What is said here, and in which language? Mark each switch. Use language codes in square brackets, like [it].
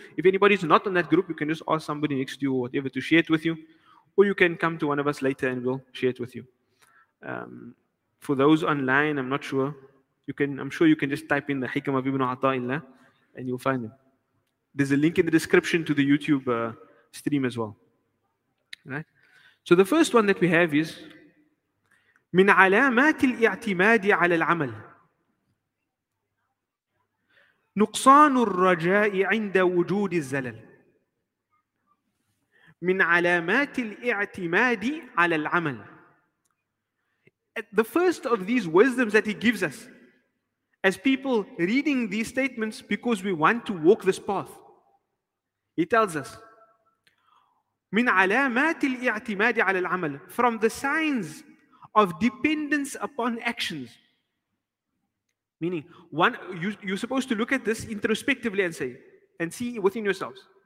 [en] If anybody's not on that group, you can just ask somebody next to you or whatever to share it with you. Or you can come to one of us later and we'll share it with you. For those online, I'm not sure. I'm sure you can just type in the Hikam of Ibn Ata'illah and you'll find them. There's a link in the description to the YouTube stream as well. Right? So the first one that we have is [ar] مِنْ عَلَامَاتِ الْإِعْتِمَادِ عَلَى الْعَمَلِ نقصان الرجاء عند وجود الزلل من علامات الاعتماد على العمل. [en] The first of these wisdoms that he gives us as people reading these statements because we want to walk this path, he tells us [ar] من علامات الاعتماد على العمل, [en] from the signs of dependence upon actions. Meaning, one, you're supposed to look at this introspectively and say, and see within yourselves.